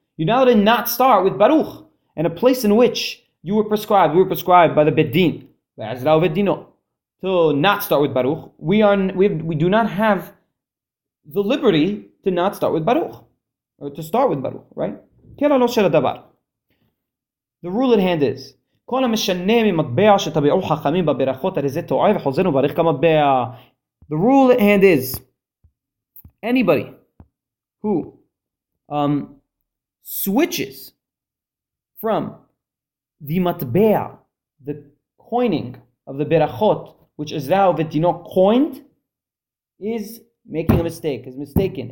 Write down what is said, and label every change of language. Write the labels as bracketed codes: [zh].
[en] You're not allowed to not start with Baruch, and a place in which you were prescribed by the Beit Din, by Ezra Beit Dino. To not start with Baruch, we do not have the liberty to not start with Baruch, or to start with Baruch, right? The rule at hand is, [he] כל המשנה ממטבע שטבעו חכמים בברכות, הרי זה טועה וחוזרנו בריך כמטבע. [en] The rule at hand is, anybody who switches from the מטבע, the coining of the ברכות, which is thou that you know coined, is making a mistake, is mistaken.